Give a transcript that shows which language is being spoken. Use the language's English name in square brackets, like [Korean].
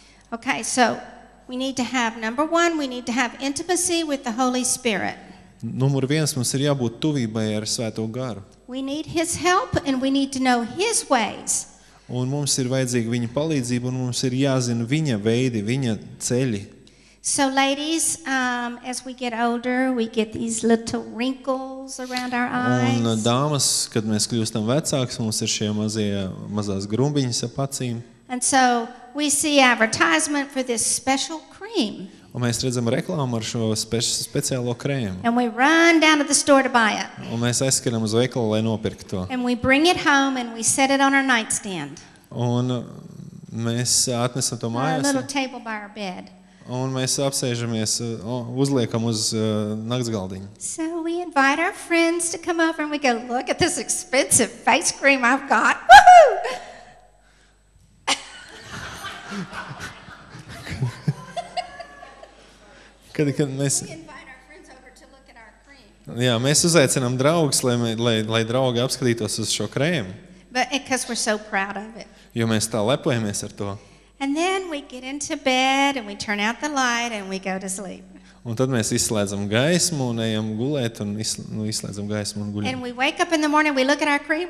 [English] Okay, so we need to have, number one, we need to have intimacy with the Holy Spirit. [Latvian] Numur viens, mums ir jābūt tuvībai ar Svēto Garu. [English] We need his help and we need to know his ways. [Latvian] Un mums ir vajadzīga viņa palīdzība un mums ir jāzina viņa veidi, viņa ceļi. [English] So ladies, as we get older, we get these little wrinkles around our eyes. [Latvian] Un dāmas, kad mēs kļūstam vecāks, mums ir šie mazās grumbiņas ap acīm. [English] And so we see advertisement for this special cream. [Latvian] Un mēs redzam reklāmu ar šo speciālo krēmu. [English] And we run down to the store to buy it. [Latvian] Un mēs aizskrienam uz veikalu, lai nopirkt to. [English] And we bring it home and we set it on our nightstand. [Latvian] Un mēs atnesam to mājās. [English] A little table by our bed. [Latvian] Un mēs apsēžamies, uzliekam uz naktsgaldiņu. [English] So we invite our friends to come over and we go, look at this expensive face cream I've got. Woohoo! [Latvian] Kad mēs... [English] We invite our friends over to look at our cream. [Latvian] Jā, mēs uzaicinām draugus, lai draugi apskatītos uz šo krēmu. [English] But because we're so proud of it. [Latvian] Jo mēs tā lepojamies ar to. [English] And then we get into bed and we turn out the light and we go to sleep. [Latvian] Un tad mēs izslēdzam gaismu un ejam gulēt un izslēdzam gaismu un guļam. [English] And we wake up in the morning, we look at our cream.